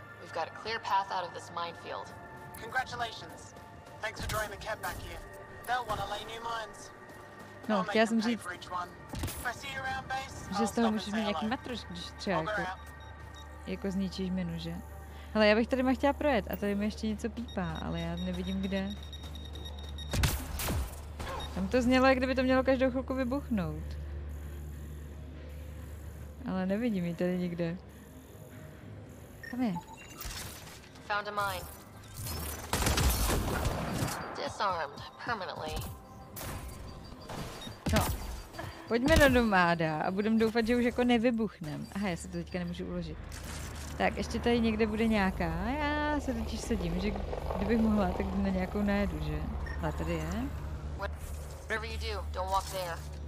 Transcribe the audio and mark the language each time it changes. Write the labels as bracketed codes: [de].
[en] We've got a clear path out of this minefield. Congratulations. Thanks for drawing the cat back here. They'll want to lay new mines. [cs] No, chtěla jsem říct, že z toho můžeš mít nějaký matroš, když třeba jako zničíš minu, že? Hele, já bych tady má chtěla projet a tady mi ještě něco pípá, ale já nevidím kde. Tam to znělo, jak kdyby to mělo každou chvilku vybuchnout. Ale nevidím ji tady nikde. Tam je. [en] Found a mine. Disarmed permanently. [cs] No. Pojďme do nomáda a budem doufat, že už jako nevybuchnem. Aha, já se to teďka nemůžu uložit. Tak, ještě tady někde bude nějaká. Já se totiž sedím, že kdybych mohla, tak na nějakou najedu, že? Ale tady je. [en] Whatever you do, don't walk there.